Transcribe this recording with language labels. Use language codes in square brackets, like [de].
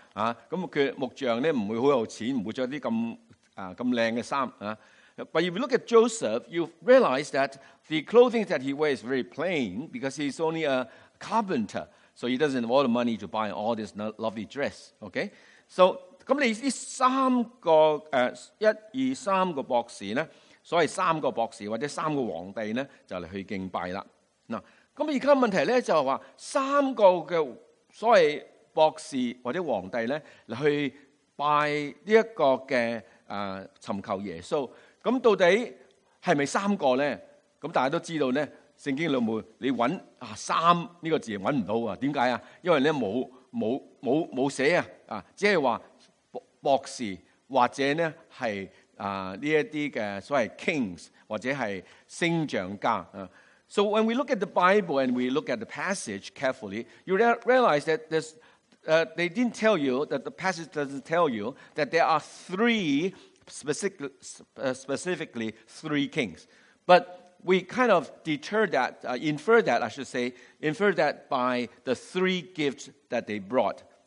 [yue] 咁佢木匠咧唔會好有錢，唔會著啲咁靚嘅衫啊。 [en] But if you look at Joseph, you realize that the clothing that he wears is very plain because he's only a carpenter, so he doesn't have all the money to buy all this lovely dress. [yue] Okay, so 咁你呢三個一二三個博士咧，所謂三個博士或者三個皇帝咧，就嚟去敬拜啦。嗱，咁而家問題咧就係話三個嘅所謂。博士或者皇帝咧，去拜呢一个嘅寻求耶稣，咁到底系咪三个咧？咁大家都知道咧，圣经里面你揾三呢个字揾唔到啊？点解啊？因为咧冇写啊，只系话博士或者咧系呢一啲嘅所谓 kings 或者系星象家啊。 [en] So when we look at the Bible and we look at the passage carefully, you realize that this they didn't tell you that the passage doesn't tell you that there are three specifically three kings, but we kind of infer that by the three gifts that they brought.